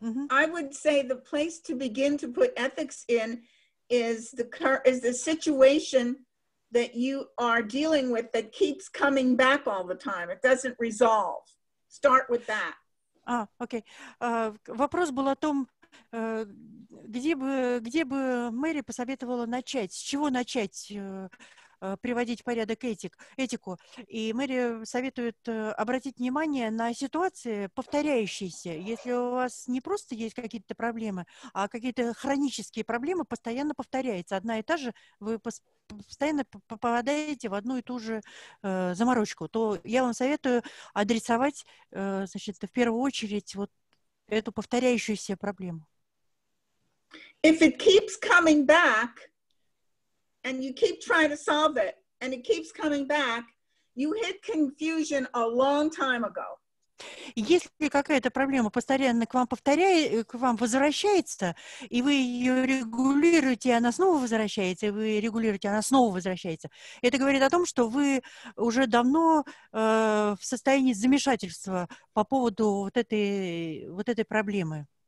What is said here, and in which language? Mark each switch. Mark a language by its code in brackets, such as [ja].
[en] I would say the place to begin to put ethics in is the situation that you are dealing with that keeps coming back all the time. It doesn't resolve. Start with that. Okay. [ru] Вопрос был о том, где бы Мэри посоветовала начать, с чего начать приводить в порядок этику. И Мэри советует обратить внимание на ситуации, повторяющиеся. Если у вас не просто есть какие-то проблемы, а какие-то хронические проблемы постоянно повторяются. Одна и та же, вы постоянно попадаете в одну и ту же заморочку. То я вам советую адресовать, значит, в первую очередь вот эту повторяющуюся проблему. [en] If it keeps coming back, and you keep trying to solve it, and it keeps coming back, you hit confusion a long time ago. [ru] Если какая-то проблема постоянно к вам возвращается, и вы ее регулируете, и она снова возвращается, и вы регулируете, и она снова возвращается, это говорит о том, что вы уже давно в состоянии замешательства по поводу вот этой проблемы.